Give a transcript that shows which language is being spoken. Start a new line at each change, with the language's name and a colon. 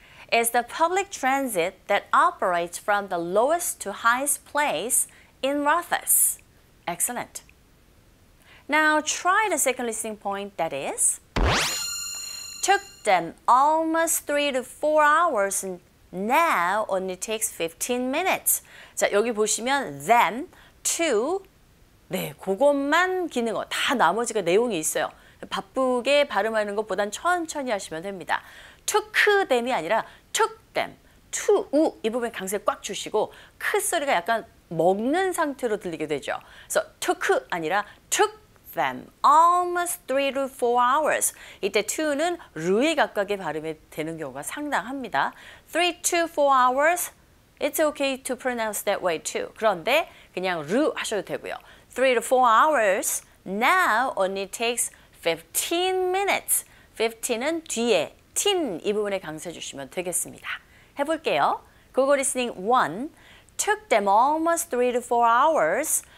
English: It's the public transit that operates from the lowest to highest place in Rothes. Excellent. Now try the second listening point, that is, took them almost 3 to 4 hours and now only takes 15 minutes.
Korean: 자, 여기 보시면 then, to, 네, 그것만 기능어, 다 나머지가 내용이 있어요. 바쁘게 발음하는 것보단 천천히 하시면 됩니다. took them이 아니라 took them, to, 우, 이 부분에 강세를 꽉 주시고 크 소리가 약간 먹는 상태로 들리게 되죠.
English: So took 아니라 took them almost 3 to 4 hours.
Korean: 이때 to는 루의 각각의 발음이 되는 경우가 상당합니다.
English: 3 to 4 hours, it's okay to pronounce that way too.
Korean: 그런데 그냥 루 하셔도 되고요.
English: 3 to 4 hours, now only takes 15 minutes.
Korean: 15은 뒤에 teen 이 부분에 강세해 주시면 되겠습니다. 해볼게요.
English: Google listening 1. Took them almost 3 to 4 hours.